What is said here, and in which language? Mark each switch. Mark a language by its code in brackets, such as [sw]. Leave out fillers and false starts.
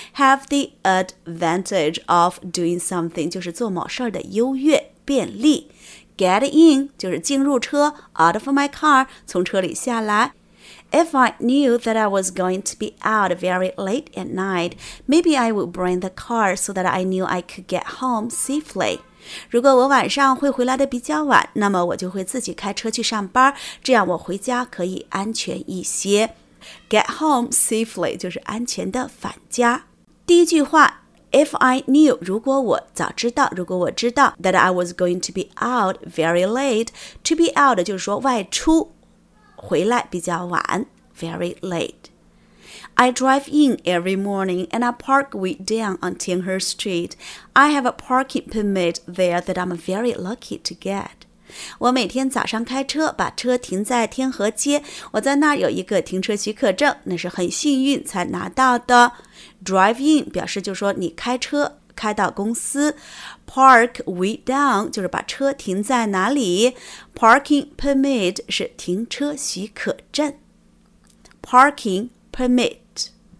[en] Have the advantage of doing something， [zh] 就是做某事的优越便利。 [en] Get in [zh] 就是进入车 ， [en] out of my car [zh] 从车里下来。 [en] If I knew that I was going to be out very late at night, maybe I would bring the car so that I knew I could get home safely. [zh] 如果我晚上会回来的比较晚，那么我就会自己开车去上班，这样我回家可以安全一些。 [en] Get home safely [zh] 就是安全的返家。第一句话 [en] If I knew, [zh] 如果我早知道，如果我知道 [en] that I was going to be out very late, to be out [zh] 就是说外出，回来比较晚 very late. [en] I drive in every morning and I park way down on Tianhe Street. I have a parking permit there that I'm very lucky to get. [zh] 我每天早上开车，把车停在天河街，我在那儿有一个停车许可证，那是很幸运才拿到的。 [en] Drive in [zh] 表示就是说你开车开到公司 [en] Park way down [zh] 就是把车停在哪里 Parking permit 是停车许可证 Parking permit